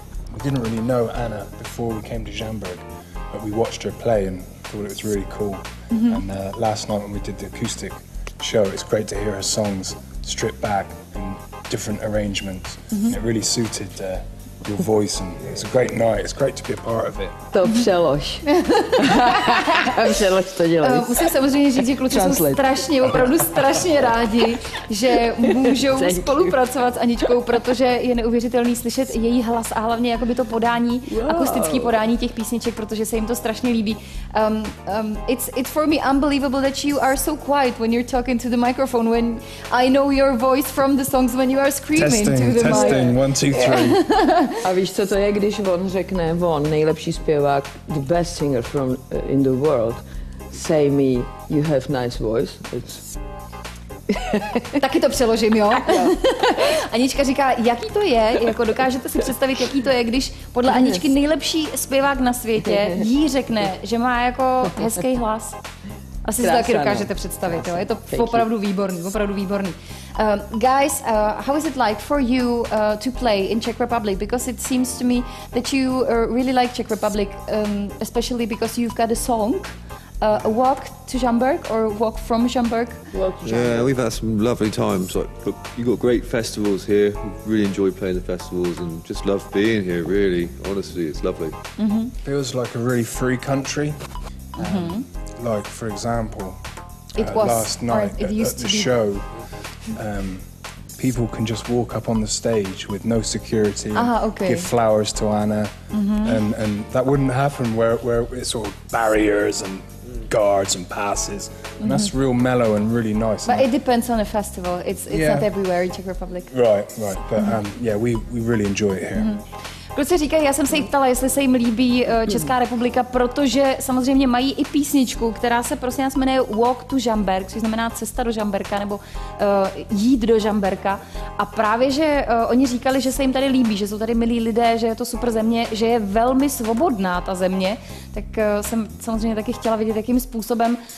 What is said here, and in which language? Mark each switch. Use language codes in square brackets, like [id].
[en] We didn't really know Anna before we came to Jamberg, but we watched her play and thought it was really cool. Mm-hmm. And last night when we did the acoustic show, it's great to hear her songs stripped back in different arrangements. Mm-hmm. It really suited your voice and it's a great night. It's great to be a part of it. [cs] To přelož. Přelož to dělají. Musím samozřejmě říct, že kluci jsou strašně, opravdu strašně rádi, že můžou spolupracovat s Aničkou, protože je neuvěřitelný slyšet její hlas a hlavně jakoby to podání, akustické podání těch písniček, protože se jim to strašně líbí. [en] It's for me unbelievable that you are so quiet when you're talking to the microphone, when I know your voice from the songs when you are screaming testing, to the testing, mic. Testing, 1, 2, 3. [cs] A víš, co to je, když on řekne, on, nejlepší zpěvák, [en] the best singer from in the world, say me, you have nice voice. It's... [cs] Taky to přeložím, jo? Anička říká, jaký to je, jako dokážete si představit, jaký to je, když podle Aničky nejlepší zpěvák na světě jí řekne, že má jako hezký hlas. Asi si to taky dokážete představit, jo? Je to opravdu výborný, opravdu výborný. [en] Guys, how is it like for you to play in Czech Republic? Because it seems to me that you really like Czech Republic, especially because you've got a song, a walk to Jamberg or walk from Jamberg. Yeah, we've had some lovely times. Like, you've got great festivals here. We really enjoy playing the festivals and just love being here. Really, honestly, it's lovely. Mm-hmm. Feels like a really free country. Mm-hmm. Like, for example, last night at the show. People can just walk up on the stage with no security, give flowers to Anna, and that wouldn't happen where it's sort of barriers and guards and passes. Mm-hmm. And that's real mellow and really nice. But it depends on the festival. It's not everywhere in Czech Republic. Right. But we really enjoy it here. Mm-hmm. [cs] Kluci říkají, já jsem se jí ptala, jestli se jim líbí Česká republika, protože samozřejmě mají i písničku, která se prostě nás jmenuje Walk to Jamberg, což znamená cesta do Jamberka nebo jít do Jamberka. A právě, že oni říkali, že se jim tady líbí, že jsou tady milí lidé, že je to super země, že je velmi svobodná ta země, tak jsem samozřejmě taky chtěla vidět, jakým způsobem.